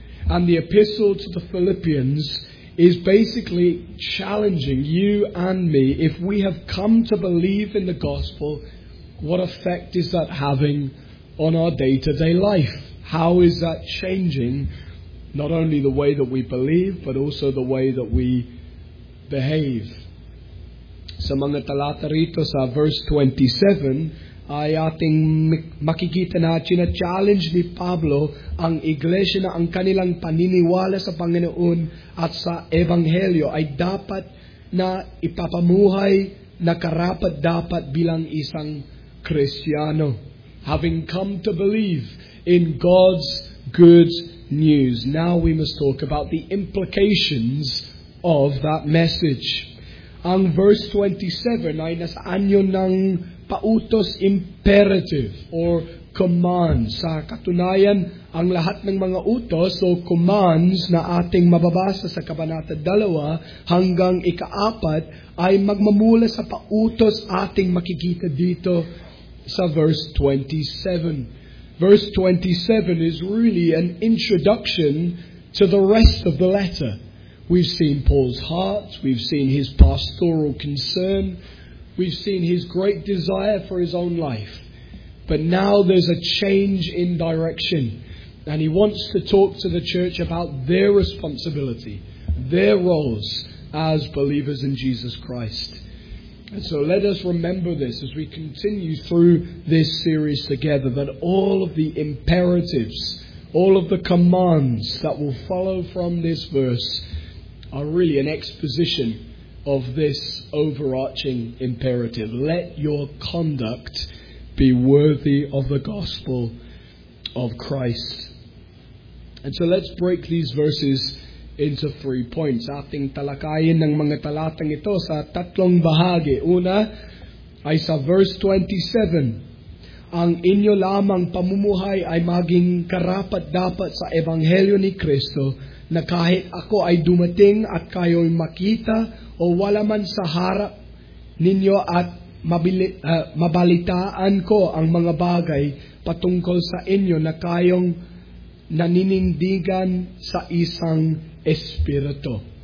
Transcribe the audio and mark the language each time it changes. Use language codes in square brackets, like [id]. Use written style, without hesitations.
[en] And the epistle to the Philippians is basically challenging you and me. If we have come to believe in the gospel, what effect is that having on our day-to-day life? How is that changing not only the way that we believe, but also the way that we behave? [tl] Sa mga talata rito sa verse 27, ay ating makikita na chinachallenge ni Pablo ang iglesia na ang kanilang paniniwala sa Panginoon at sa Ebanghelyo ay dapat na ipapamuhay na karapat dapat bilang isang Kristiyano. [en] Having come to believe in God's good news, now we must talk about the implications of that message. [tl] Ang verse 27 ay nasaanyo ng pautos [en] imperative or command. [tl] Sa katunayan, ang lahat ng mga utos o commands na ating mababasa sa kabanata 2 hanggang 4 ay magmamula sa pautos ating makikita dito sa verse 27. [en] Verse 27 is really an introduction to the rest of the letter. We've seen Paul's heart, we've seen his pastoral concern, we've seen his great desire for his own life. But now there's a change in direction, and he wants to talk to the church about their responsibility, their roles as believers in Jesus Christ. And so let us remember this as we continue through this series together, that all of the imperatives, all of the commands that will follow from this verse are really an exposition of this overarching imperative. Let your conduct be worthy of the gospel of Christ. And so let's break these verses into 3 points. [tl] Ating talakayin ng mga talatang ito sa tatlong bahagi. Una ay sa verse 27. Ang inyo lamang pamumuhay ay maging karapat dapat sa Ebanghelyo ni Kristo, na kahit ako ay dumating at kayo'y makita o wala man sa harap ninyo at mabalitaan ko ang mga bagay patungkol sa inyo na kayong naninindigan sa isang Espiritu.